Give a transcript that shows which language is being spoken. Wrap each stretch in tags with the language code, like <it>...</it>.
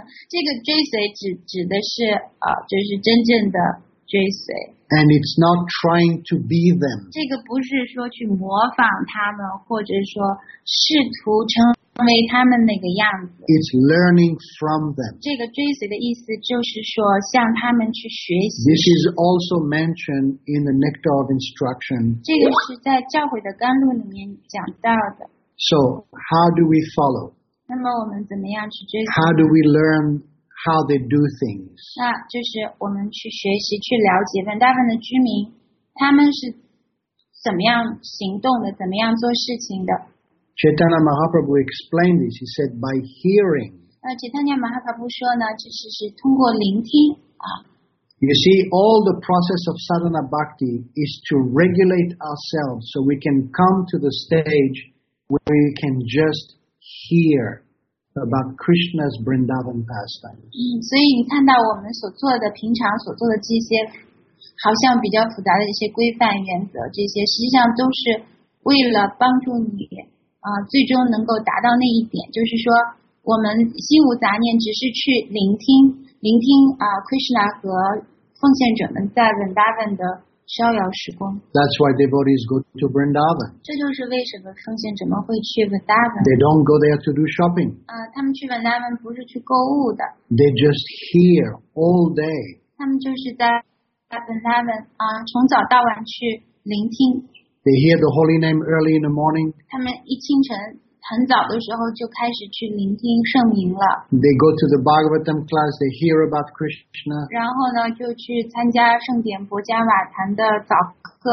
<zh>这个追随指的是,就是真正的追随。</zh> <en>And it's not trying to be them.</en> <zh>这个不是说去模仿他们，或者说试图成为他们那个样子。</zh> <en>It's learning from them.</en> <zh>这个追随的意思就是说向他们去学习。</zh> <en>This is also mentioned in the Nectar of Instruction.</en> <zh>这个是在教诲的甘露里面讲到的。</zh> <en>So how do we follow?</en> <zh>那么我们怎么样去追随？</zh> <en>How do we learn? How they do things.</en> <zh>那就是我们去学习去了解 Vrindavan 的居民他们是怎么样行动的怎么样做事情的。</zh> <en>Chaitanya Mahaprabhu explained this. He said by hearing.</en> <zh>Chaitanya Mahaprabhu 说呢其实是通过聆听。</zh> <en>You see, all the process of sadhana bhakti is to regulate ourselves so we can come to the stage where we can just hear. About Krishna's Vrindavan pastimes.</en> <zh>所以你看到我们所做的平常所做的这些好像比较复杂的一些规范原则这些实际上都是为了帮助你最终能够达到那一点就是说我们心无杂念只是去聆听Krishna 和奉献者们在 Vrindavan 的逍遥时光。</zh> <en>That's why devotees go to Vrindavan.</en> <zh>这就是为什么奉献者们会去 Vrindavan.</zh> <en>They don't go there to do shopping.</en> <zh>他们去 Vrindavan 不是去购物的。</zh> <en>They just hear all day.</en> <zh>他们就是在 Vrindavan, 从早到晚去聆听。</zh> <en>They hear the holy name early in the morning.</en> <zh>他们一清晨很早的时候就开始去聆听圣名了。</zh> <en>They go to the Bhagavatam class, they hear about Krishna.</en> <zh>然后呢就去参加圣典博加瓦坛的早课。</zh>